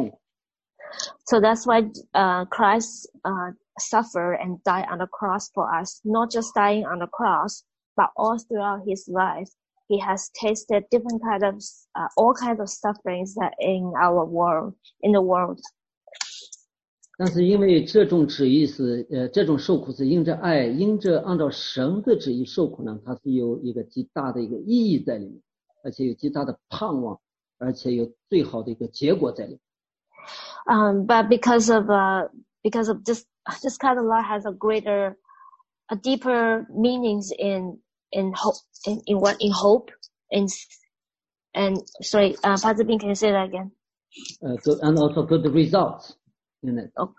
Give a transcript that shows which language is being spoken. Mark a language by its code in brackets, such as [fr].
[zh] 那所以这就是耶稣在十字架上这种爱，不仅仅是十字架上，在他一生里面都是在受苦，在地上的时候，体尝人间所有的痛苦。So [en] that's why Christ suffered and died on the cross for us, not just dying on the cross, but all throughout his life. He has tasted different kinds of, all kinds of sufferings that in our world, in the world. [zh] 但是因为这种旨意是，这种受苦是因着爱，因着按照神的旨意受苦呢，它是有一个极大的一个意义在里面，而且有极大的盼望，而且有最好的一个结果在里面。But [en] because of this kind of law has a greater, a deeper meanings in hope, and sorry, Father Bing, can you say that again? And also good results in it.